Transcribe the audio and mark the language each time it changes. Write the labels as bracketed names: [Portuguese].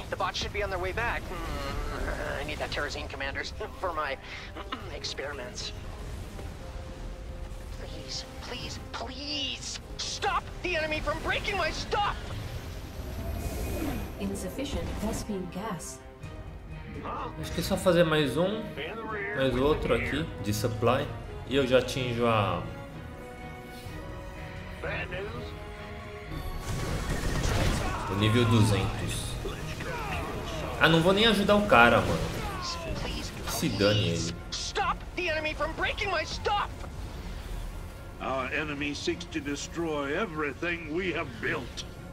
[English] The bots should be on their way back. I need that Terrazine, commanders, for my experiments. Please, please, please stop the enemy from breaking my stuff! Insufficient Vespine gas. [Portuguese] Acho que é só fazer mais outro aqui de supply e eu já atinjo a. [English] Bad news. [Portuguese] O nível 200. Ah, não vou nem ajudar o cara, mano. Se dane ele. [English] Stop the enemy from breaking my stuff. Our enemy seeks to destroy everything we have built.